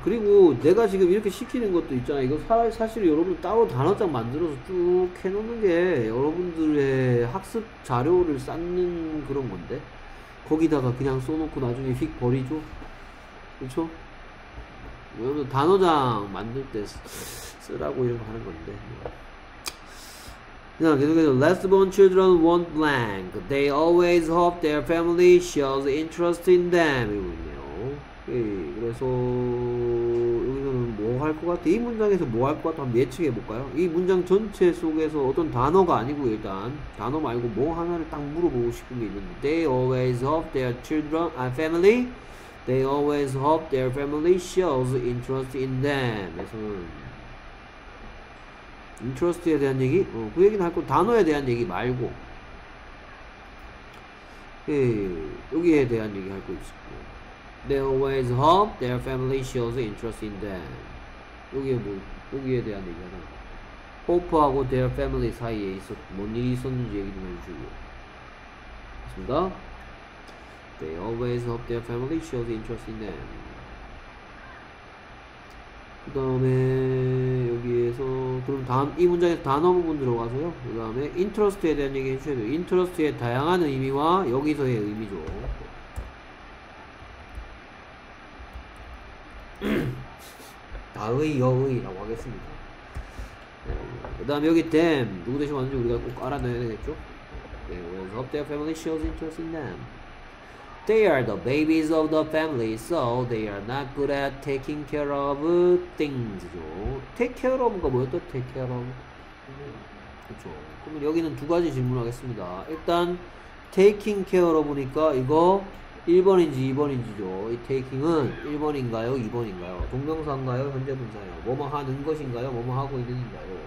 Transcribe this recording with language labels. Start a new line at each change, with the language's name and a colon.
Korean: 그리고 내가 지금 이렇게 시키는 것도 있잖아. 이거 사실 여러분 따로 단어장 만들어서 쭉 해놓는 게 여러분들의 학습 자료를 쌓는 그런 건데. 거기다가 그냥 써놓고 나중에 휙 버리죠. 그렇죠? 여러분 단어장 만들 때 쓰라고 이런 거 하는 건데. 그냥 계속해서
English: Last born children want blank. They always hope their family shows interest in them.
Korean: 그래서 여기서는 뭐할것 같아? 이 문장에서 뭐할것 같아? 한번 예측해 볼까요? 이 문장 전체 속에서 어떤 단어가 아니고 일단 단어 말고 뭐 하나를 딱 물어보고 싶은 게 있는데
English: They always hope their children and family They always hope their family shows interest in them
Korean: 에서는 interest에 대한 얘기? 그 얘기는 할거 단어에 대한 얘기 말고 여기에 대한 얘기 할거 있을까요?
English: They always hope their family shows interest in them.
Korean: 여기에 대한 얘기잖아. Hope하고 their family 사이에 뭔 일이 있었는지 얘기 좀 해주시고. 됐습니다.
English: They always hope their family shows interest in them.
Korean: 그 다음에, 여기에서, 그럼 다음, 이 문장에서 단어 부분 들어가서요. 그 다음에, interest에 대한 얘기 해주셔야 돼요. interest의 다양한 의미와 여기서의 의미죠. 나의 여의라고 하겠습니다. 그 다음 여기 them 누구 대신 왔는지 우리가 꼭 알아내야 되겠죠?
English: They always hope their family shows interest in them. They are the babies of the family, so they are not good at taking care of things죠.
Korean: Take care of가 뭐였죠? Take care of. 그렇죠. 그러면 여기는 두 가지 질문하겠습니다. 일단 taking care of니까 이거 1번인지 2번인지죠. 이 taking은 1번인가요? 2번인가요? 동명사인가요? 현재분사요? 뭐뭐 하는 것인가요? 뭐뭐 하고 있는가요?